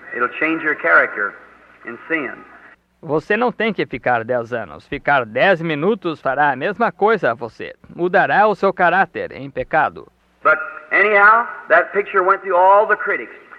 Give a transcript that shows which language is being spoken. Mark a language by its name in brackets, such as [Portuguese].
[English] It'll change your character in sin. [Portuguese] Você não tem que ficar 10 anos. Ficar 10 minutos fará a mesma coisa a você. Mudará o seu caráter em pecado. [English] But anyhow, that picture went through all the critics.